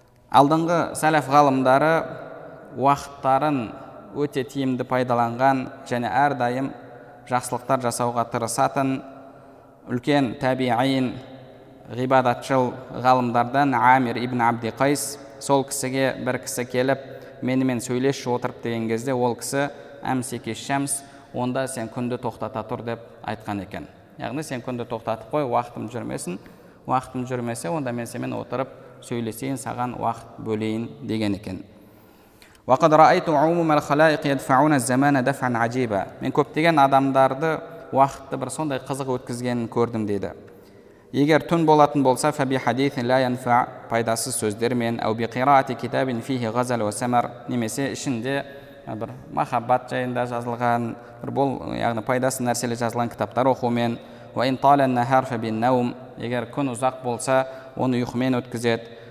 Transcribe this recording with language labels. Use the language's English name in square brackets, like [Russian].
[Kazakh] Алдыңғы сәләф ғалымдары уақыттарын өте тиімді пайдаланған және әрдайым жақсылықтар жасауға тырысатын үлкен табиин ғибадатшыл ғалымдардан Амир ибн Абди Қайс, сол кісіге бір кісі келіп, менімен сөйлесші отырып деген кезде, ол кісі [Arabic] «Әмсеке шәмс, [Kazakh] онда сен күнді тоқтата тұр» деп айтқан екен. Яғни сен күнді тоқтатып қой, уақытым жүрмесін, уақытым жүрмесе, онда мен сенімен отырып сөйлесейін, саған уақыт бөлейін деген екен. [Arabic] وقد رأيت عموم الخلائق يدفعون الزمان دفعا عجيبا. [Kazakh] Мен көптеген адамдарды уақытты бір сондай қызық өткізгенін көрдім дейді. Егер түн болатын болса, [Arabic] фаби хадисин ла янфа, [Kazakh] пайдасыз сөздермен, [Arabic] ау би қираати китабин фихи ғазал ва самар, [Kazakh] немесе ішінде бір махаббат жайында жазылған бір бол, яғни пайдасыз нәрселе жазылған кітаптар оқумен, [Arabic] ва ин тала ан-нахар фабин наум, [Kazakh] егер күн ұзақ болса, оны ұйқымен өткізеді.